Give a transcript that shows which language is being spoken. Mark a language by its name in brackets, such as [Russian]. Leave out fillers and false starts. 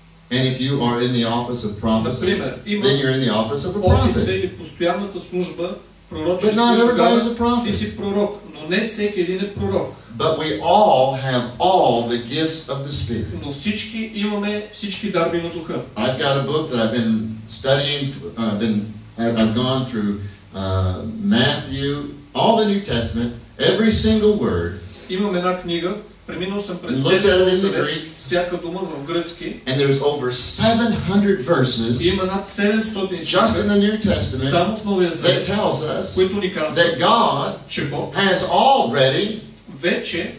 [English] And if you are in the office of prophecy, [Bulgarian] например, [English] then you're in the office of a prophet. [Bulgarian] Офиси или постоянната служба. [English] But not everybody is a prophet. [Bulgarian] Ти си пророк, но не всеки един е пророк. [English] But we all have all the gifts of the Spirit. [Bulgarian] Но всички имаме всички дарби на Духа. [English] I've got a book that I've been studying, I've gone through Matthew, all the New Testament, every single word. [Bulgarian] Имам една книга, преминал съм през целия Греки, всяка дума в гръцки. [English] And there's over 700 verses. [Bulgarian] Има над 700 стиха. [English] Just in the New Testament. [Bulgarian] Само в Новия Завет. [English] That tells us, [Bulgarian] които ни казват, [English] that God, [Bulgarian] че Бог, [English] has already, [Bulgarian] вече,